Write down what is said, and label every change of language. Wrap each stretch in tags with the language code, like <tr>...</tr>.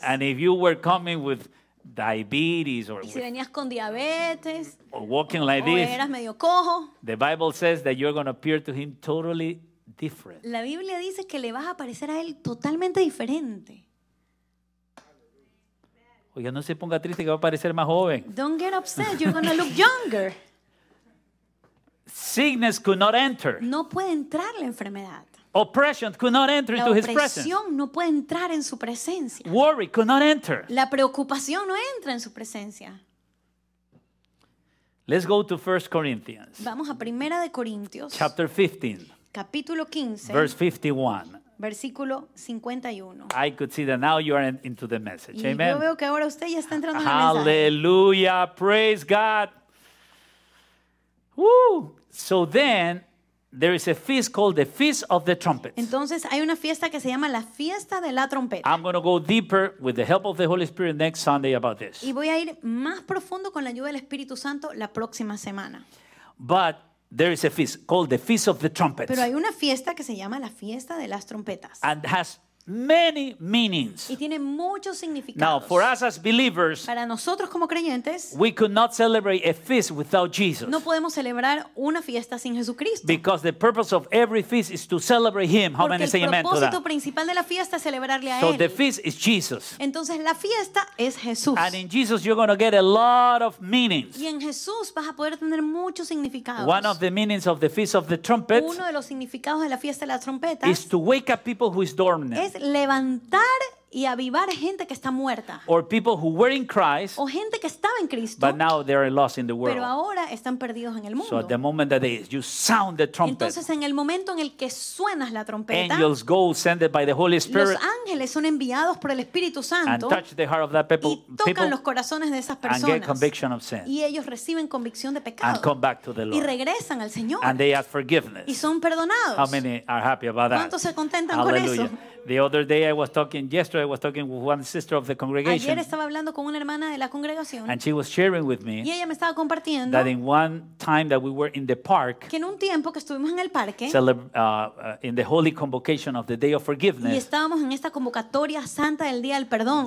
<en>And if you were coming with diabetes or</en> <es>y si venías con diabetes.</es> <en>Or walking like</en> <es>o</es> <en>this.</en> <es>Eras medio cojo.</es> <en>The Bible says that you're gonna appear to him totally different.</en> <es>La Biblia dice que le vas a parecer a él totalmente diferente. Oiga, no se ponga triste que va a parecer más joven.</es> <en>Don't get upset, you're going to look younger. Sickness could not enter.</en> <es>No puede entrar la enfermedad.</es> <en>Oppression could not enter into his presence.</en> <es>La opresión no puede entrar en su presencia.</es> <en>Worry could not enter.</en> <es>La preocupación no entra en su presencia.</es> <en>Let's go to 1 Corinthians.</en> <es>Vamos a Primera de Corintios.</es> <en>Chapter 15.</en> <es>Capítulo 15.</es> <en>Verse 51.</en> <es>Versículo 51.</es> <en>I could see that now you are into the message.</en> <es>Y amen. Yo veo que ahora usted ya está entrando en el Hallelujah. Mensaje.</es> <en>Hallelujah. Praise God. Woo. So then, there is a feast called the Feast of the Trumpets.</en> <es>Entonces, hay una fiesta que se llama la Fiesta de la Trompeta.</es> <en>I'm going to go deeper with the help of the Holy Spirit next Sunday about this.</en> <es>Y voy a ir más profundo con la ayuda del Espíritu Santo la próxima semana.</es> <en>But there is a feast called the Feast of the Trumpets.</en> <es>Pero hay una fiesta que se llama la Fiesta de las Trompetas.</es> <en>And has many meanings.</en> <es>Y tiene muchos significados.</es> <en>Now, for us as believers,</en> <es>para nosotros como creyentes,</es> <en>we could not celebrate a feast without Jesus.</en> <es>No podemos celebrar una fiesta sin Jesucristo.</es> <en>Because the purpose of every feast is to celebrate Him. How many say amen to that?</en> <es>Porque el propósito principal de la fiesta es celebrarle a</es> <en>so So the feast is Jesus.</en> <es>Entonces la fiesta es Jesús.</es> <en>And in Jesus you're going to get a lot of meanings.</en> <es>Y en Jesús vas a poder tener muchos significados.</es> <en>One of the meanings of the Feast of the Trumpets.</en> <es>Uno de los significados de la Fiesta de las Trompetas</es> <en>is to wake up people who is dormant.</en> <es>Levantar y avivar gente que está muerta.</es> <en>Or people who were in Christ,</en> <es>o gente que estaba en Cristo,</es> <en>but now they are lost in the world.</en> <es>Pero ahora están perdidos en el mundo.</es> <en>So at the moment that you sound the trumpet,</en> <es>entonces en el momento en el que suenas la trompeta,</es> <en>angels go sent by the Holy Spirit,</en> <es>los ángeles son enviados por el Espíritu Santo,</es> <en>and touch the heart of that people,</en> <es>y tocan los corazones de esas personas,</es> <en>and get conviction of sin,</en> <es>y ellos reciben convicción de pecado,</es> <en>and come back to the Lord,</en> <es>y regresan al Señor,</es> <en>and they ask forgiveness,</en> <es>y son perdonados.</es> <en>How many are happy about that?</en> <es>¿Cuántos se contentan Hallelujah. Con eso?</es> <en>The other day I was talking, yesterday I was talking with one sister of the congregation.</en> <es>Ayer estaba hablando con una hermana de la congregación.</es> <en>And she was sharing with me.</en> <es>Y ella me estaba compartiendo.</es> <en>That in one time that we were in the park.</en> <es>Que en un tiempo que estuvimos en el parque.</es> <en>In the holy convocation of the day of forgiveness.</en> <es>Y estábamos en esta convocatoria santa del día del perdón.</es>